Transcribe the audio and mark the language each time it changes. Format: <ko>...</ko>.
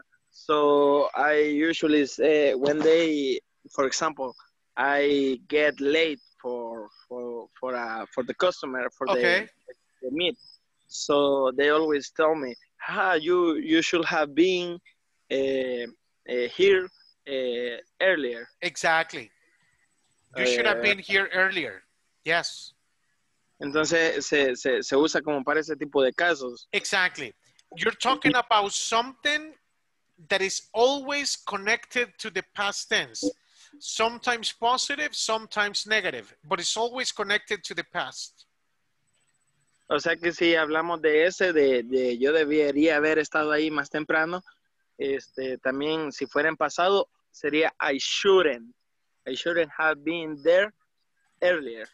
<en>So I usually say when they, for example, I get late for the customer for the meet. So they always tell me, you should have been here earlier. Exactly. You should have been here earlier. Yes.</en> <es>Entonces se usa como para ese tipo de casos.</es> <en>Exactly. You're talking about something that is always connected to the past tense. Sometimes positive, sometimes negative, but it's always connected to the past.</en> <es>O sea que si hablamos de ese, de yo debería haber estado ahí más temprano, también si fuera en pasado, sería</es> <en>I shouldn't have been there earlier.</en>